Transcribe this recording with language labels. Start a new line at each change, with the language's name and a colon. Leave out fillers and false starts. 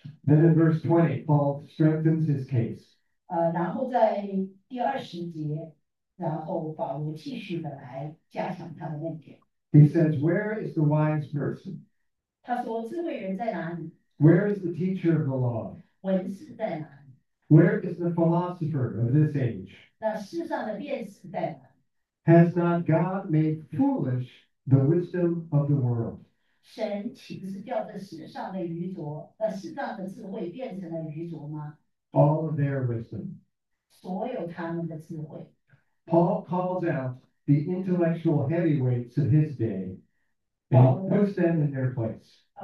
English: Then in verse 20, Paul strengthens his case.
Chinese: 然后在第二十节。然后保罗继续的来加强他的论点。
English: He says, where is the wise person?
Chinese: 他说智慧人在哪里？
English: Where is the teacher of the law?
Chinese: 文士在哪里？
English: Where is the philosopher of this age?
Chinese: 那世上的辩士在哪里？
English: Has not God made foolish the wisdom of the world?
Chinese: 神岂不是叫这世上的愚拙，世上的智慧变成了愚拙吗？
English: All of their wisdom.
Chinese: 所有他们的智慧。
English: Paul calls out the intellectual heavyweights of his day and puts them in their place.